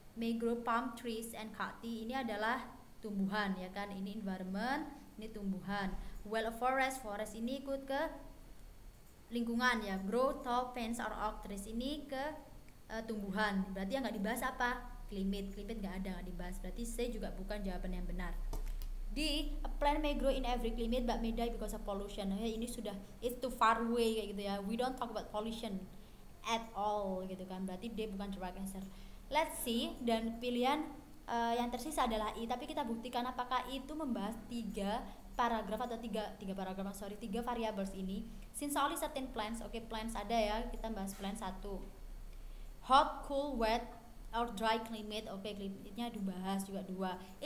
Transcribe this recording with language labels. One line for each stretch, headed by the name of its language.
English: May grow palm trees and cacti,
Indonesian: ini adalah tumbuhan ya kan, ini environment, ini tumbuhan.
English: Well, a forest, forest
Indonesian: ini ikut ke lingkungan ya,
English: grow tall pines or oak trees,
Indonesian: ini ke tumbuhan. Berarti yang enggak dibahas apa? Climate. Climate enggak ada, enggak dibahas. Berarti C juga bukan jawaban yang benar.
English: D, a plant may grow in every climate but may die because of pollution.
Indonesian: Nah, ini sudah
English: it's too far away
Indonesian: kayak gitu ya.
English: We don't talk about pollution at all gitu kan.
Indonesian: Berarti D bukan jawaban answer. Let's see, dan pilihan yang tersisa adalah I, tapi kita buktikan apakah I itu membahas 3 paragraf atau tiga variables ini.
English: Since only certain plants, okay,
Indonesian: plants ada ya, kita bahas
English: plant 1. Hot, cool, wet, or dry climate, okay, climate-nya
Indonesian: dibahas juga
English: 2.